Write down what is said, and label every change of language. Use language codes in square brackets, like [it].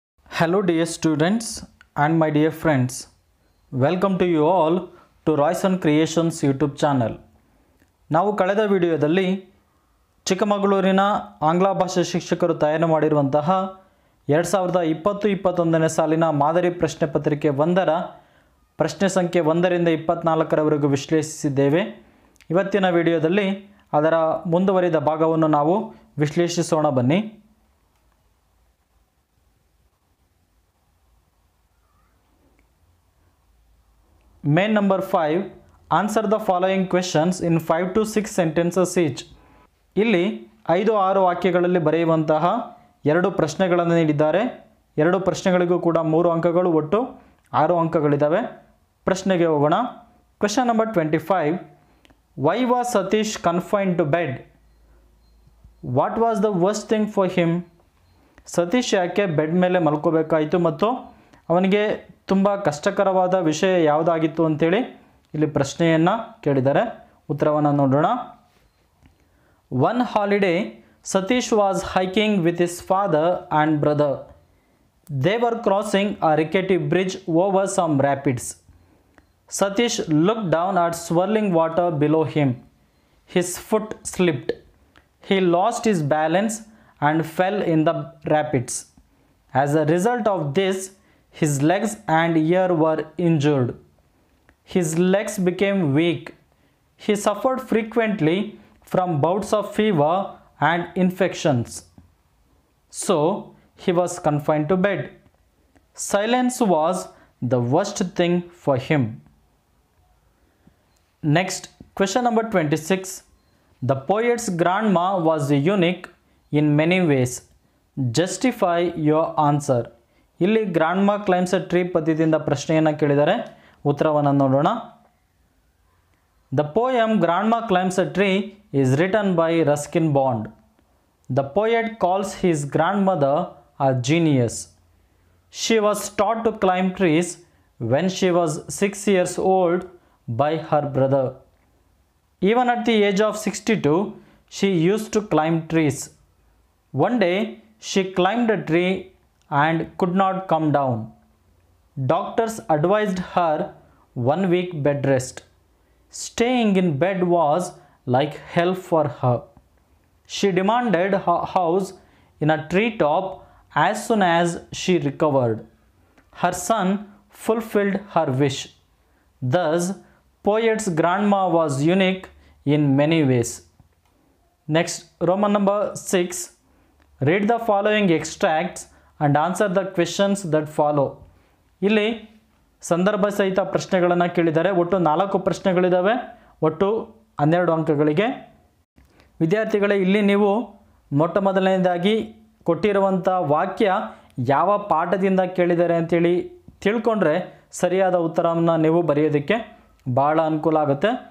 [en] Hello dear students and my dear friends, welcome to you all to Royce and Creations YouTube channel. [kn] ನಾವು ಕಳೆದ ವಿಡಿಯೋದಲ್ಲಿ ಚಿಕ್ಕಮಗಳೂರಿನ ಆಂಗ್ಲ ಭಾಷಾ ಶಿಕ್ಷಕರು ತಯಾರು ಮಾಡಿರುವಂತಹ 2020-21 ಸಾಲಿನ ಮಾದರಿ ಪ್ರಶ್ನೆ ಪತ್ರಿಕೆ 1 ರ ಪ್ರಶ್ನೆ ಸಂಖ್ಯೆ 1 ರಿಂದ 24 ರವರೆಗೆ ವಿಶ್ಲೇಷಿಸಿದ್ದೇವೆ. ಇವತ್ತಿನ ವಿಡಿಯೋದಲ್ಲಿ ಅದರ ಮುಂದುವರಿದ ಭಾಗವನ್ನು ನಾವು ವಿಶ್ಲೇಷಿಸೋಣ, ಬನ್ನಿ. [en] Main number 5, answer the following questions in 5 to 6 sentences each. [kn] ಇಲ್ಲಿ 5-6 ವಾಕ್ಯಗಳಲ್ಲಿ ಬರೆಯುವಂತಹ ಎರಡು ಪ್ರಶ್ನೆಗಳನ್ನು ನೀಡಿದ್ದಾರೆ. ಎರಡು ಪ್ರಶ್ನೆಗಳಿಗೂ ಕೂಡ 3 ಅಂಕಗಳು, ಒಟ್ಟು 6 ಅಂಕಗಳಿದ್ದಾವೆ. ಪ್ರಶ್ನೆಗೆ ಹೋಗೋಣ. [en] Question number 25, why was Satish confined to bed? What was the worst thing for him? [kn] Satish ಯಾಕೆ ಬೆಡ್ ಮೇಲೆ ಮಲ್ಕೋಬೇಕಾಯಿತು ಮತ್ತು ಅವನಿಗೆ ತುಂಬ ಕಷ್ಟಕರವಾದ ವಿಷಯ ಯಾವುದಾಗಿತ್ತು ಅಂಥೇಳಿ ಇಲ್ಲಿ ಪ್ರಶ್ನೆಯನ್ನು ಕೇಳಿದ್ದಾರೆ. ಉತ್ತರವನ್ನು ನೋಡೋಣ. [en] One holiday Satish was hiking with his father and brother. They were crossing a rickety bridge over some rapids. Satish look down at swirling water below him. His foot slipped, he lost his balance and fell in the rapids. As a result of this His legs and ear were injured. His legs became weak. He suffered frequently from bouts of fever and infections. So, he was confined to bed. Silence was the worst thing for him. Next, question number 26. The poet's grandma was unique in many ways. Justify your answer. [kn] ಇಲ್ಲಿ grand ಮಾ claims a tree ಪದ್ಯದಿಂದ ಪ್ರಶ್ನೆಯನ್ನು ಕೇಳಿದ್ದಾರೆ. ಉತ್ತರವನ್ನು ನೋಡೋಣ. [en] The poem grandma climbs a tree is written by Ruskin Bond. The poet calls his grandmother a genius. She was taught to climb trees when she was 6 years old by her brother. Even at the age of 62 she used to climb trees. One day she climbed a tree and could not come down. Doctors advised her 1 week bed rest. Staying in bed was like hell for her. She demanded her house in a treetop as soon as she recovered. Her son fulfilled her wish. Thus, poet's grandma was unique in many ways. Next, Roman number 6. Read the following extracts and answer the questions that follow. [kn] ಇಲ್ಲಿ ಸಂದರ್ಭ ಸಹಿತ ಪ್ರಶ್ನೆಗಳನ್ನು ಕೇಳಿದ್ದಾರೆ. ಒಟ್ಟು 4 ಪ್ರಶ್ನೆಗಳಿದ್ದಾವೆ, ಒಟ್ಟು 12 ಅಂಕಗಳಿಗೆ. ವಿದ್ಯಾರ್ಥಿಗಳೇ, ಇಲ್ಲಿ ನೀವು ಮೊಟ್ಟ ಮೊದಲನೇದಾಗಿ ಕೊಟ್ಟಿರುವಂಥ ವಾಕ್ಯ ಯಾವ ಪಾಠದಿಂದ ಕೇಳಿದ್ದಾರೆ ಅಂತೇಳಿ ತಿಳ್ಕೊಂಡ್ರೆ ಸರಿಯಾದ ಉತ್ತರವನ್ನು ನೀವು ಬರೆಯೋದಕ್ಕೆ ಭಾಳ ಅನುಕೂಲ ಆಗುತ್ತೆ.